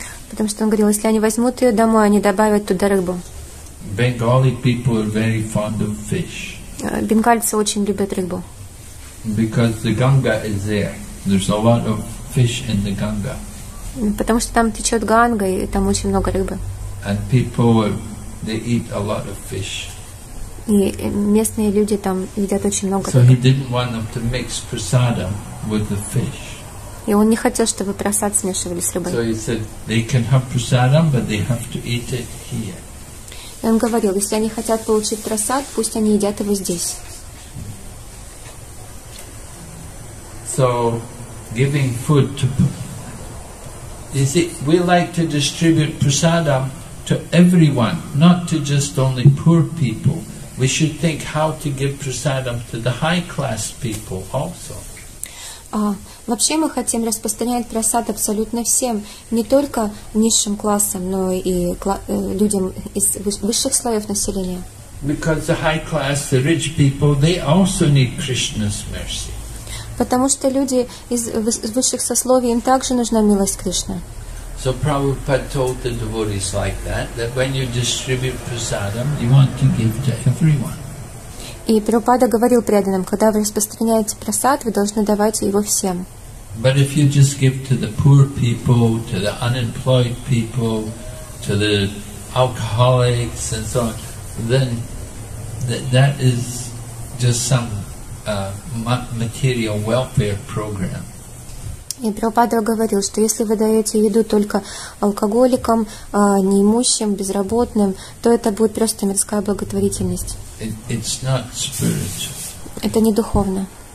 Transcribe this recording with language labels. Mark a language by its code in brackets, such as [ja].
[ru] Потому что он говорил, если они возьмут ее домой, они добавят туда рыбу. [en] Bengali people are very fond of fish. [ru] Бенгальцы очень любят рыбу. [en] Because the Ganga is there. There's a lot of fish in the Ganga. [ru] Потому что там течет Ганга, и там очень много рыбы. [en] And people are They eat a lot of fish. [ru] И местные люди там едят очень много рыбы. [en] So he didn't want them to mix prasadam with the fish. [ru] И он не хотел, чтобы прасад смешивали с рыбой. [en] So he said they can have prasadam, but they have to eat it here. [ru] И он говорил, если они хотят получить прасад, пусть они едят его здесь. [en] So giving food to You see, we like to distribute prasadam to everyone, not to just only poor people. We should think how to give prasadam to the high class people also. [ru] Вообще мы хотим распространять прасад абсолютно всем, не только низшим классам, но и людям из высших слоев населения. [en] Because the high class, the rich people, they also need Krishna's mercy. [ru] Потому что люди из высших сословий, им также нужна милость Кришны. [en] So Prabhupada told the devotees like that, that when you distribute prasadam, you want to give to everyone. [ru] И Прабхупада говорил преданным, когда вы распространяете прасад, вы должны давать его всем. [en] But if you just give to the poor people, to the unemployed people, to the alcoholics and so on, then that is just some material welfare program. [ru] И Прабхупада говорил, что если вы даете еду только алкоголикам, неимущим, безработным, то это будет просто мирская благотворительность. [en] It's not spiritual. [ru] Это не духовно.